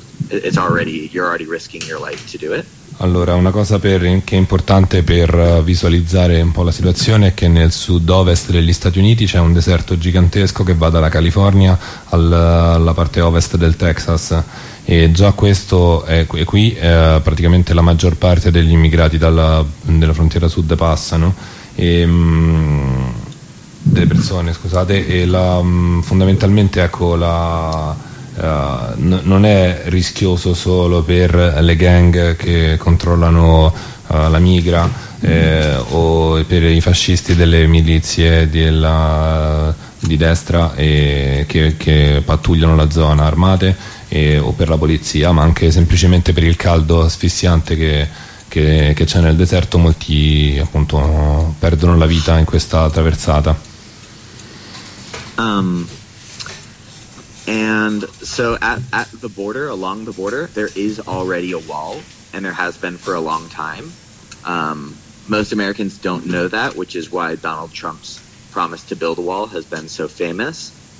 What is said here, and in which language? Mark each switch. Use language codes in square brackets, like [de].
[en] It's already, you're already risking your life to do it. [it] Allora, una cosa che è importante per visualizzare un po' la situazione è che nel sud-ovest degli Stati Uniti c'è un deserto gigantesco che va dalla California alla parte ovest del Texas, e già questo è qui, praticamente la maggior parte degli immigrati della frontiera sud passano, e delle persone, scusate, e fondamentalmente ecco la... non è rischioso solo per le gang che controllano la migra, o per i fascisti delle milizie di destra che pattugliano la zona armate, o per la polizia, ma anche semplicemente per il caldo asfissiante che c'è nel deserto. Molti appunto perdono la vita in questa traversata. [en] And so at the border, along the border, there is already a wall, and there has been for a long time. Most Americans don't know that, which is why Donald Trump's promise to build a wall has been so famous.